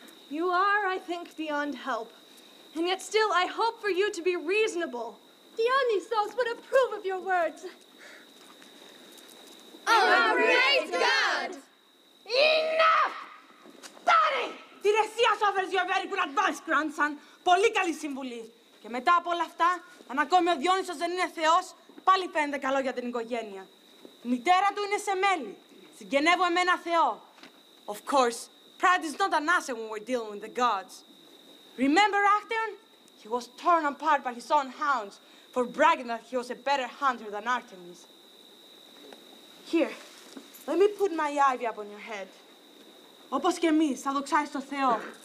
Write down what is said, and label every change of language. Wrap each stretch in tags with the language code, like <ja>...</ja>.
<en>You are, I think, beyond help. And yet still, I hope for you to be reasonable. Dionysos would approve of your words. Our great god! Enough! Stare! Tiresias offers you a very good advice, grandson.</en> <el>Πολύ καλή συμβουλή. Και μετά από όλα αυτά, αν ακόμη ο Διόνυσος δεν είναι θεός, πάλι φαίνεται καλό για την οικογένεια. Η μητέρα του είναι σε μέλη. Συγγενεύω με ένα θεό.</el> <en>Of course, pride is not an asset when we're dealing with the gods. Remember Acteon? He was torn apart by his own hounds for bragging that he was a better hunter than Artemis. Here, let me put my ivy up on your head.</en> <el>Όπως και εμείς, θα δοξάσεις το Θεό.</el>